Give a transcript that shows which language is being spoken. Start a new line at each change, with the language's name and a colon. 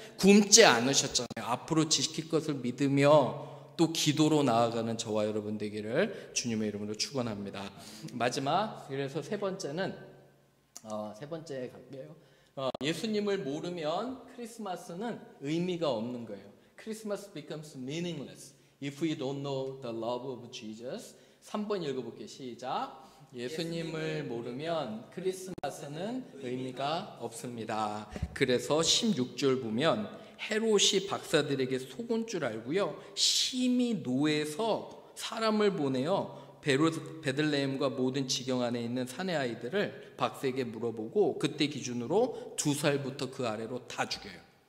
Korean: 굶지 않으셨잖아요. 앞으로 지킬 것을 믿으며 또 기도로 나아가는 저와 여러분 되기를 주님의 이름으로 축원합니다. 마지막, 그래서 세 번째는 세 번째 갈게요. 예수님을 모르면 크리스마스는 의미가 없는 거예요.
English: Christmas becomes meaningless if we don't know the love of Jesus.
Korean: 3번 읽어볼게요. 시작. 예수님을 모르면 크리스마스는 의미가 없습니다. 그래서 16절 보면 헤롯이 박사들에게 속은 줄 알고요 심히 노해서 사람을 보내어 베들레헴과 모든 지경 안에 있는 산의 아이들을 박사에게 물어보고 그때 기준으로 두 살부터 그 아래로 다 죽여요.